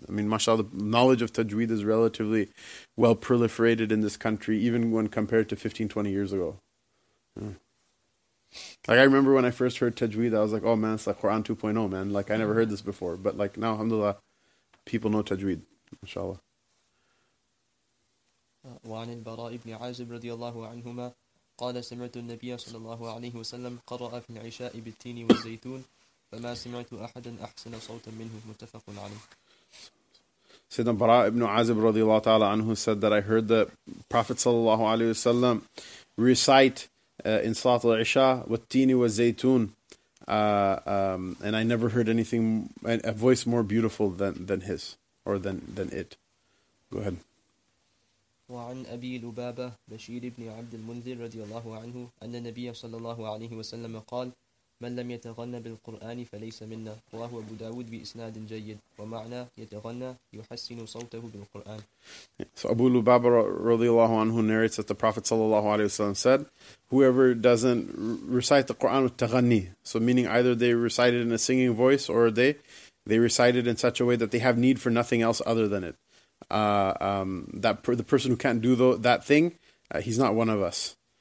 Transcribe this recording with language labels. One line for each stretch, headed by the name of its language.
English: I mean, mashallah, the knowledge of tajweed is relatively well proliferated in this country, even when compared to 15, 20 years ago. Like, I remember when I first heard tajweed, I was like, oh man, it's like Quran 2.0, man. Like, I never heard this before. But like, now, alhamdulillah, people know tajweed, mashallah.
Arabic: وعن البراء بن عازب رضي الله عنهما قال سمعت النبي صلى الله عليه وسلم قرأ في العشاء بالتين والزيتون فما سمعت أحدا أحسن صوتا منه متفق عليه.
English: Sayyidina Bara ibn Azib radiallahu ta'ala anhu said that I heard the Prophet sallallahu alayhi wa sallam recite in Salat al-Isha wat-tini wa zaytun, and I never heard anything, a voice more beautiful than his, or than it. Go ahead.
Arabic: وعن أبي لبابة بشير بن عبد المنذر رضي الله عنه أن النبي صلى الله عليه وسلم قال من لم يتغنى بالقرآن فليس منا رواه أبو داود بإسناد جيد ومعنى يتغنى يحسن صوته بالقرآن.
English: So Abu Lubaba radiallahu anhu narrates that the Prophet sallallahu alaihi wasallam said, whoever doesn't recite the Quran with taghani, so meaning either they recite it in a singing voice or they recite it in such a way that they have need for nothing else other than it. The person who can't do that thing, he's not one of us.